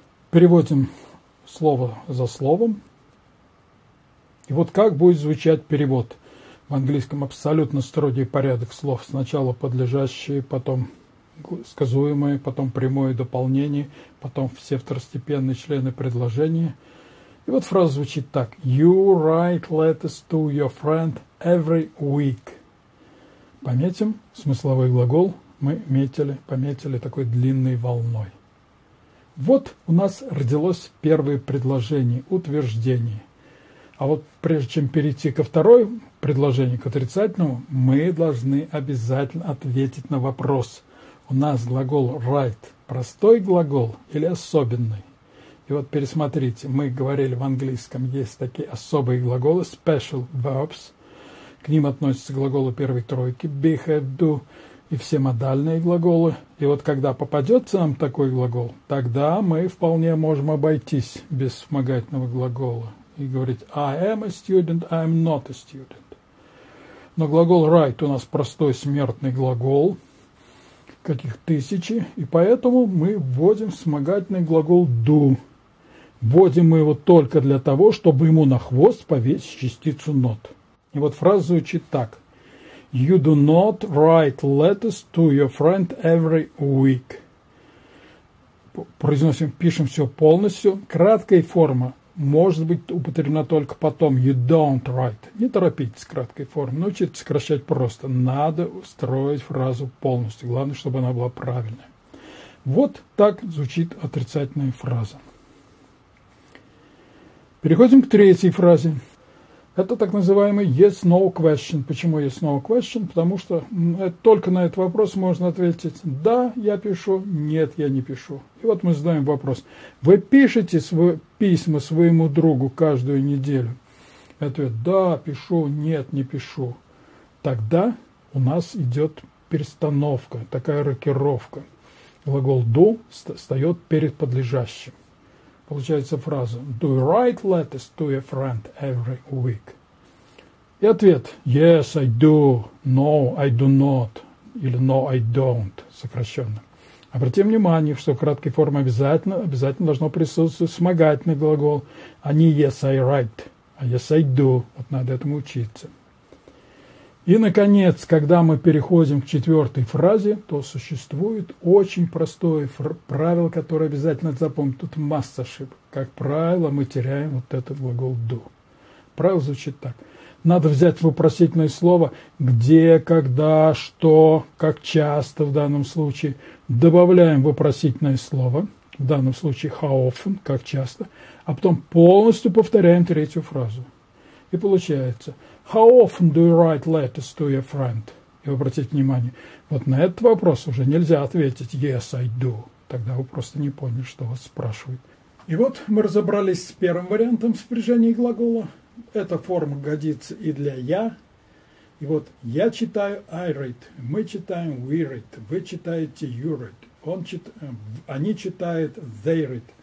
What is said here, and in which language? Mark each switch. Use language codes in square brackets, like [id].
[ru] Переводим слово за словом. И вот как будет звучать перевод? В английском абсолютно строгий порядок слов. Сначала подлежащие, потом сказуемые, потом прямое дополнение, потом все второстепенные члены предложения. И вот фраза звучит так. [en] You write letters to your friend every week. [ru] Пометим смысловой глагол. Мы пометили такой длинной волной. Вот у нас родилось первое предложение, утверждение. А вот прежде чем перейти ко второму предложению, к отрицательному, мы должны обязательно ответить на вопрос. У нас глагол write простой глагол или особенный? И вот пересмотрите, мы говорили в английском, есть такие особые глаголы, special verbs. К ним относятся глаголы первой тройки, be, have, do и все модальные глаголы. И вот когда попадется нам такой глагол, тогда мы вполне можем обойтись без вспомогательного глагола и говорить [en] I am a student, [ru] I am not a student. Но глагол write у нас простой смертный глагол, каких тысячи, и поэтому мы вводим вспомогательный глагол do. Вводим мы его только для того, чтобы ему на хвост повесить частицу not. И вот фраза звучит так. [en] You do not write letters to your friend every week. [ru] Произносим, пишем все полностью. Краткая форма может быть употреблена только потом. [en] You don't write. [ru] Не торопитесь с краткой формой. Научитесь сокращать просто. Надо строить фразу полностью. Главное, чтобы она была правильная. Вот так звучит отрицательная фраза. Переходим к третьей фразе. Это так называемый [en] yes-no question. [ru] Почему [en] yes-no question? [ru] Потому что только на этот вопрос можно ответить «Да, я пишу», «Нет, я не пишу». И вот мы задаем вопрос. Вы пишете письма своему другу каждую неделю? Ответ «Да, пишу», «Нет, не пишу». Тогда у нас идет перестановка, такая рокировка. Глагол «do» встает перед подлежащим. Получается фраза [en] «Do you write letters to your friend every week?» [ru] И ответ [en] «Yes, I do», «No, I do not» или «No, I don't» сокращенно. [ru] Обратим внимание, что в краткой форме обязательно должно присутствовать вспомогательный глагол, а не [en] «Yes, I write», [ru] а [en] «Yes, I do». [ru] Вот надо этому учиться. И, наконец, когда мы переходим к четвертой фразе, то существует очень простое правило, которое обязательно запомнить. Тут масса ошибок. Как правило, мы теряем вот этот глагол do. Правило звучит так. Надо взять вопросительное слово «где», «когда», «что», «как часто» в данном случае. Добавляем вопросительное слово, в данном случае «how often», «как часто», а потом полностью повторяем третью фразу. [en] И получается «How often do you write letters to your friend?» [ru] И обратите внимание, вот на этот вопрос уже нельзя ответить [en] «Yes, I do». [ru] Тогда вы просто не поняли, что вас спрашивают. И вот мы разобрались с первым вариантом спряжения глагола. Эта форма годится и для «я». И вот «я читаю» – «I read», «мы читаем» – «we read», «вы читаете» – «you read», «они читают» – «they read».